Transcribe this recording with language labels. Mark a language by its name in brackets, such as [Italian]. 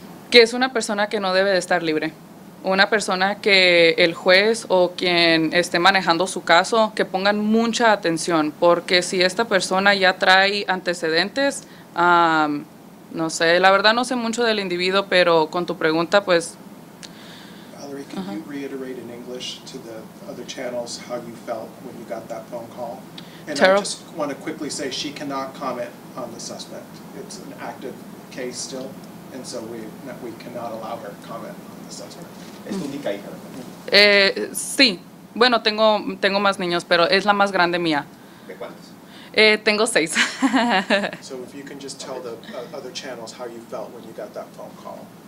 [Spanish] Que es una persona que no debe de estar libre. Una persona que el juez o quien esté manejando su caso, que pongan mucha atención, porque si esta persona ya trae antecedentes, no sé, la verdad no sé mucho del individuo, pero con tu pregunta, pues... Valerie, [English] Can you reiterate in English to the other channels how you felt when you got that phone call? And Terrible. I just want to quickly say she cannot comment on the suspect. It's an active case still, and so we cannot allow her to comment on the suspect. [Spanish] ¿Es tu única hija? Sí. Bueno, tengo más niños, pero es la más grande mía. ¿De cuántos? Tengo seis. [English] So if you can just tell the other channels how you felt when you got that phone call.